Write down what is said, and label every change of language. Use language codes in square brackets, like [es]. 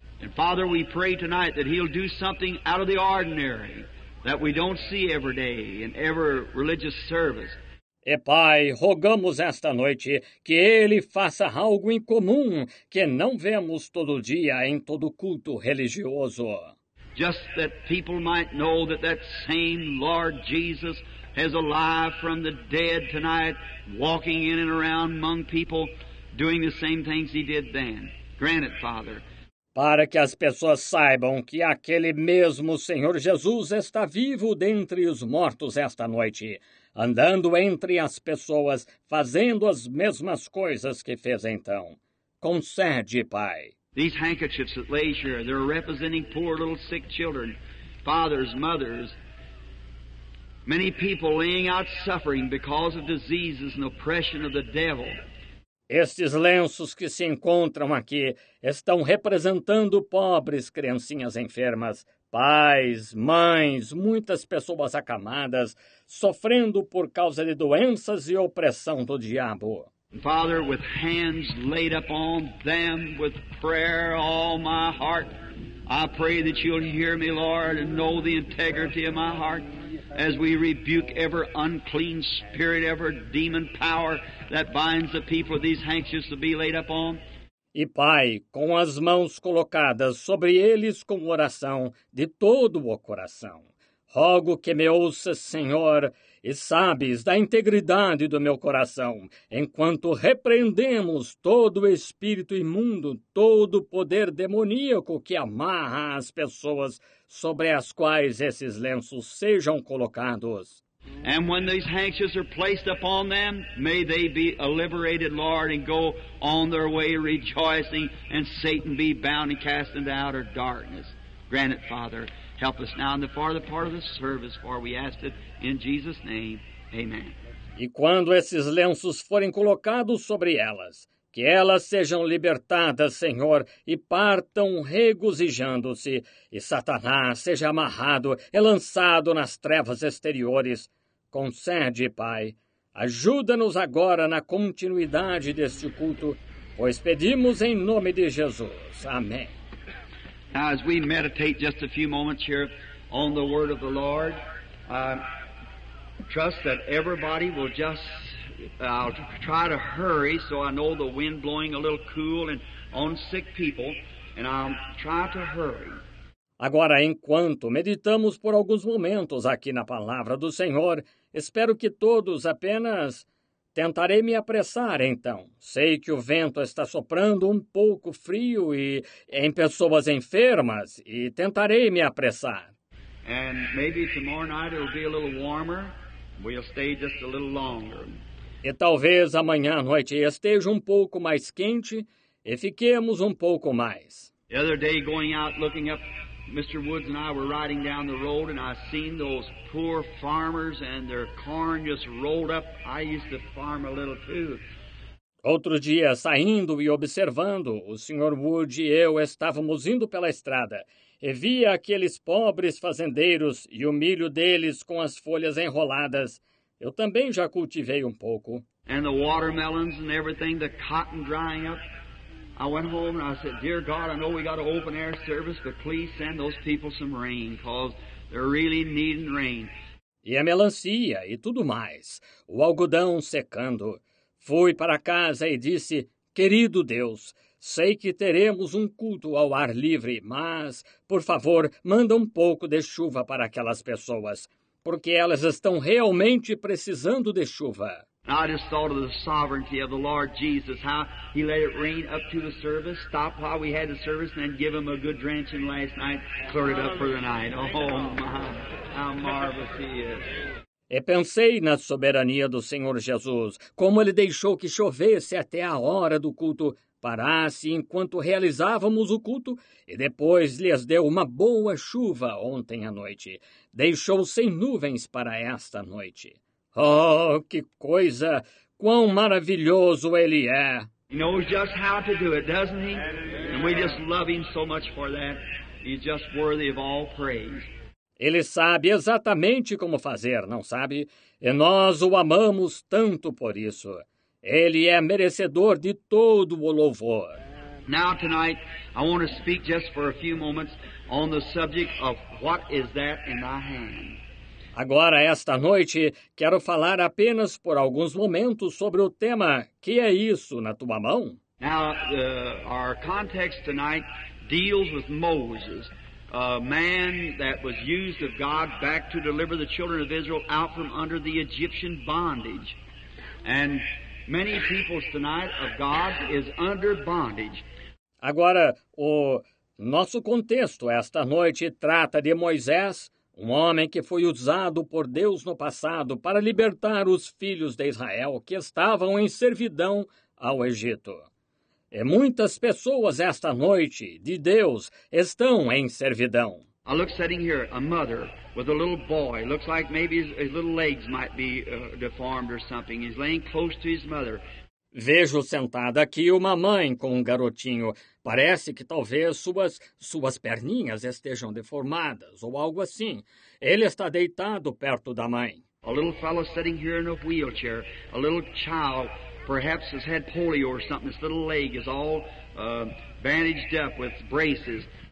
[en] E, Father, we pray tonight that he'll do something out of the ordinary that we don't see every day in every religious service. [pt] E, Pai, rogamos esta noite que Ele faça algo incomum que não vemos todo dia em todo culto religioso. [en] Just that people might know that that same Lord Jesus is alive from the dead tonight, walking in and around among people, doing the same things He did then. Grant it, Father. [pt] Para que as pessoas saibam que aquele mesmo Senhor Jesus está vivo dentre os mortos esta noite, andando entre as pessoas, fazendo as mesmas coisas que fez então. Concede, Pai. [en] These handkerchiefs that lay here, they're representing poor little sick children, fathers, mothers, many people laying out suffering because of diseases and oppression of the devil. [pt] Estes lenços que se encontram aqui estão representando pobres criancinhas enfermas, pais, mães, muitas pessoas acamadas, sofrendo por causa de doenças e opressão do diabo. [en] Father, with hands laid upon them, with prayer all my heart, I pray that you'll hear me, Lord, and know the integrity of my heart, as we rebuke every unclean spirit, every demon power that binds the people of these handkerchiefs to be laid upon. [pt] E, Pai, com as mãos colocadas sobre eles com oração de todo o coração, rogo que me ouças, Senhor, e sabes da integridade do meu coração, enquanto repreendemos todo o espírito imundo, todo o poder demoníaco que amarra as pessoas sobre as quais esses lenços sejam colocados. [en] And when these handkerchiefs are placed upon them, may they be liberated, Lord, and go on their way rejoicing, and Satan be bound and cast into outer darkness. Grant it, Father. Help us now in the farther part of the service, for we ask it in Jesus' name. Amen. [pt] E quando esses lenços forem colocados sobre elas, que elas sejam libertadas, Senhor, e partam regozijando-se, e Satanás seja amarrado e lançado nas trevas exteriores. Concede, Pai, ajuda-nos agora na continuidade deste culto, pois pedimos em nome de Jesus. Amém. [en] Now, as we meditate just a few moments here on the Word of the Lord, I trust that everybody will just I'll try to hurry so I know the wind blowing a little cool and on sick people, and I'll try to hurry. [pt] Agora, enquanto meditamos por alguns momentos aqui na palavra do Senhor, espero que todos apenas tentarei me apressar, então. Sei que o vento está soprando um pouco frio e em pessoas enfermas, e tentarei me apressar. [en] And maybe tomorrow night it'll be a little warmer. We'll stay just a little longer. [pt] E talvez amanhã à noite esteja um pouco mais quente e fiquemos um pouco mais. [en] The other day going out looking up, Mr. Woods and I were riding down the road and I seen those poor farmers and their corn just rolled up. I used to farm a little too. [pt] Outro dia, saindo e observando, o Sr. Wood e eu estávamos indo pela estrada e via aqueles pobres fazendeiros e o milho deles com as folhas enroladas. Eu também já cultivei um pouco. [en] And the watermelons and everything, the cotton drying up. I went home and I said, dear God, I know we got an open air service, but please send those people some rain, because they're really needing rain. [pt] E a melancia e tudo mais, o algodão secando. Fui para casa e disse, querido Deus, sei que teremos um culto ao ar livre, mas, por favor, manda um pouco de chuva para aquelas pessoas, porque elas estão realmente precisando de chuva. [en] I just thought of the sovereignty of the Lord Jesus, how he let it rain up to the service, stop while we had the service, and then give him a good drenching last night, cleared it up for the night. Oh, my, how marvelous he is. [pt] E pensei na soberania do Senhor Jesus, como ele deixou que chovesse até a hora do culto, parasse enquanto realizávamos o culto, e depois lhes deu uma boa chuva ontem à noite. Deixou sem nuvens para esta noite. Oh, que coisa! Quão maravilhoso ele é! [en] He knows just how to do it, doesn't he? And we just love him so much for that. He's just worthy of all praise. [pt] Ele sabe exatamente como fazer, não sabe? E nós o amamos tanto por isso. Ele é merecedor de todo o louvor. [en] Now tonight, I want to speak just for a few moments on the subject of what is that in thy hand. [pt] Agora, esta noite, quero falar apenas por alguns momentos sobre o tema, que é isso na tua mão? [en] Now, our context tonight deals with Moses, a man that was used of God back to deliver the children of Israel out from under the Egyptian bondage. And many peoples tonight of God is under bondage. [pt] Agora, o nosso contexto esta noite trata de Moisés, um homem que foi usado por Deus no passado para libertar os filhos de Israel que estavam em servidão ao Egito. E muitas pessoas esta noite de Deus estão em servidão. [en] I look sitting here, a mother with a little boy. Looks like maybe his little legs might be deformed or something. He's laying close to his mother. [pt] Vejo sentada aqui uma mãe com um garotinho. Parece que talvez suas perninhas estejam deformadas ou algo assim. Ele está deitado perto da mãe. [en] A little fellow sitting here in a wheelchair, a little child, perhaps has had polio or something. His little leg is all bandaged up with braces.